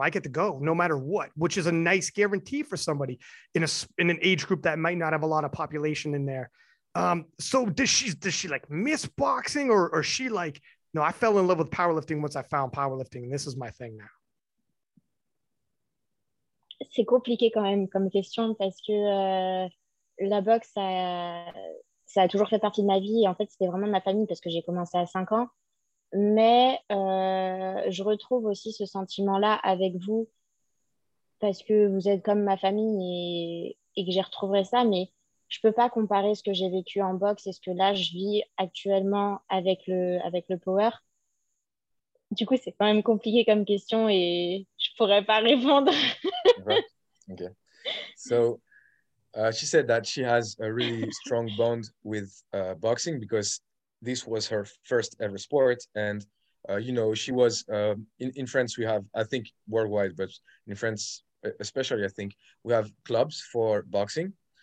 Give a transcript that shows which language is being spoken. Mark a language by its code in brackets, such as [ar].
[en] I get to go no matter what, which is a nice guarantee for somebody in an age group that might not have a lot of population in there. So does she like miss boxing, or she like, no, I fell in love with powerlifting once I found powerlifting and this is my thing now. [fr] C'est compliqué quand même comme question parce que la boxe, ça a toujours fait partie de ma vie. En fait, c'était vraiment ma famille parce que j'ai commencé à 5 ans. Mais je retrouve aussi ce sentiment-là avec vous parce que vous êtes comme ma famille et que j'ai retrouvé ça. Mais je ne peux pas comparer ce que j'ai vécu en boxe et ce que là, je vis actuellement avec le power. Du coup, c'est quand même compliqué comme question et je ne pourrais pas répondre. [en] Okay. So, she said that she has a really strong bond with boxing because this was her first ever sport. And, you know, she was in France, we have, I think worldwide, but in France, especially, I think we have clubs for boxing.